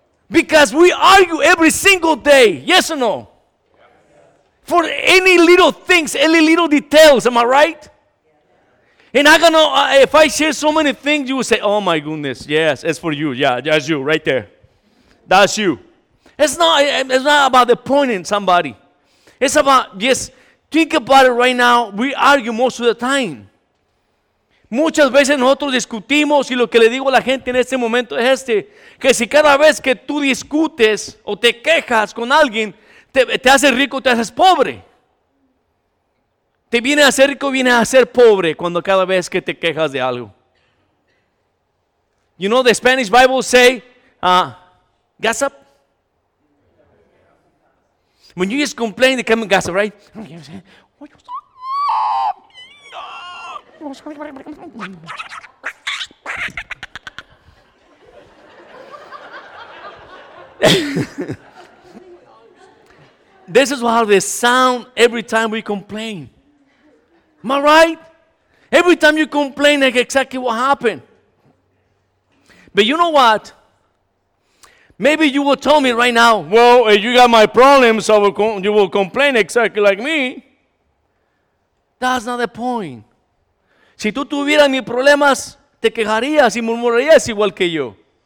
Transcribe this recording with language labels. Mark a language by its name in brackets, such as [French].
[English] Because we argue every single day, yes or no? For any little things, any little details, am I right? And I'm going to, if I share so many things, you will say, oh my goodness, yes, it's for you. Yeah, that's you right there. That's you. It's not about the point in somebody. It's about, yes, think about it right now. We argue most of the time. [Spanish] Muchas veces nosotros discutimos y lo que le digo a la gente en este momento es este, que si cada vez que tú discutes o te quejas con alguien, te haces rico o te haces pobre. Te viene a ser rico, viene a ser pobre cuando cada vez que te quejas de algo. [English] You know the Spanish Bible say, gossip? When you just complain, they come and gossip, right? This is how they sound every time we complain. Am I right? Every time you complain, like exactly what happened. But you know what? Maybe you will tell me right now, well, if you got my problems, so you will complain exactly like me. That's not the point. [Spanish] Si tú tuvieras mis problemas, te quejarías y murmurarías igual que yo.